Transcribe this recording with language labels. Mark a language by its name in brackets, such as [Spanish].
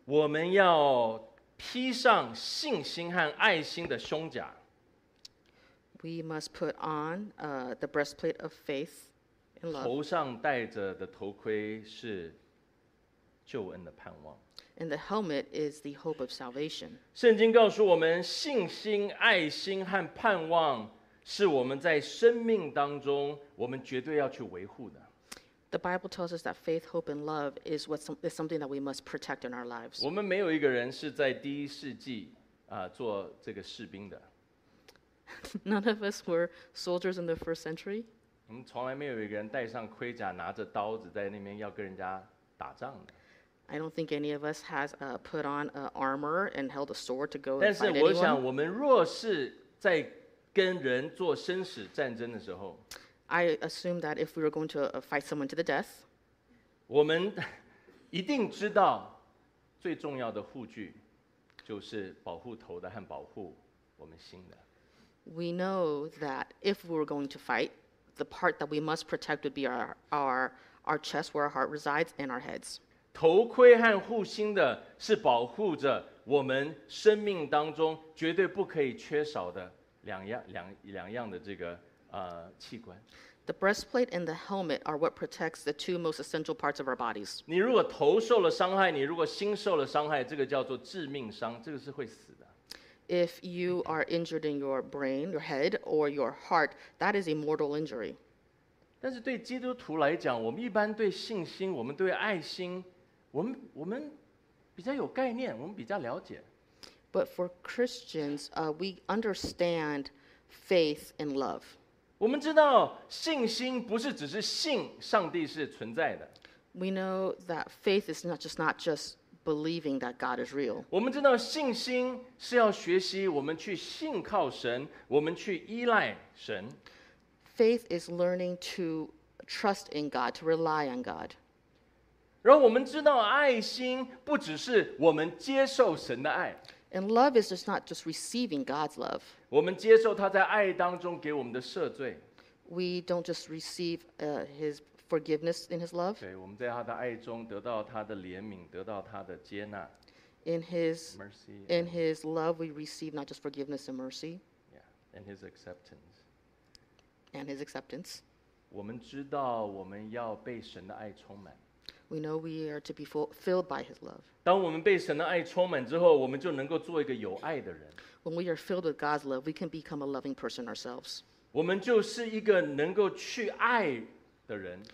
[Chinese] 我们要披上信心和爱心的胸甲。 [English] We must put on the breastplate of faith and love. [Chinese] 头上戴着的头盔是救恩的盼望。 [English] And the helmet is the hope of salvation. [Chinese] 圣经告诉我们信心、爱心和盼望是我们在生命当中我们绝对要去维护的。 [English] The Bible tells us that faith, hope and love is, is something that we must protect in our lives. [Chinese] 我们没有一个人是在第一世纪做这个士兵的。 [English] None of us were soldiers in the first century. [Chinese] 我们从来没有一个人戴上盔甲拿着刀子在那边要跟人家打仗的。 [English] I don't think any of us has put on armor and held a sword to go and fight anyone. [Chinese] 但是我想我们若是在跟人做生死战争的时候， [English] I assume that if we were going to fight someone to the death, [Chinese] 我们一定知道最重要的护具就是保护头的和保护我们心的。 [English] We know that if we were going to fight, the part that we must protect would be our chest where our heart resides and our heads. [Chinese] 头盔和护心的是保护着我们生命当中绝对不可以缺少的两样的这个器官。 [English] The breastplate and the helmet are what protects the two most essential parts of our bodies. [Chinese] 你如果头受了伤害，你如果心受了伤害，这个叫做致命伤，这个是会死的。 [English] If you are injured in your brain, your head, or your heart, that is a mortal injury. [Chinese] 但是对基督徒来讲，我们一般对信心，我们对爱心，我们比较有概念，我们比较了解。 [English] But for Christians, we understand faith and love. [Chinese] 我们知道信心不是只是信上帝是存在的。 [English] We know that faith is not just believing that God is real. [Chinese] 我们知道信心是要学习我们去信靠神，我们去依赖神。 [English] Faith is learning to trust in God, to rely on God. [Chinese] 然后我们知道爱心不只是我们接受神的爱。 [English] And love is just not just receiving God's love. [Chinese] 我们接受他在爱当中给我们的赦罪。 [English] We don't just receive his forgiveness in his love. [Chinese] 对，我们在他的爱中得到他的怜悯，得到他的接纳。 [English] In his mercy, in his love, we receive not just forgiveness and mercy. Yeah, and his acceptance. And his acceptance. [Chinese] 我们知道我们要被神的爱充满。 [English] We know we are to be filled by His love. [Chinese] 当我们被神的爱充满之后，我们就能够做一个有爱的人。 [English] When we are filled with God's love, we can become a loving person ourselves. [Chinese] 我们就是一个能够去爱的人。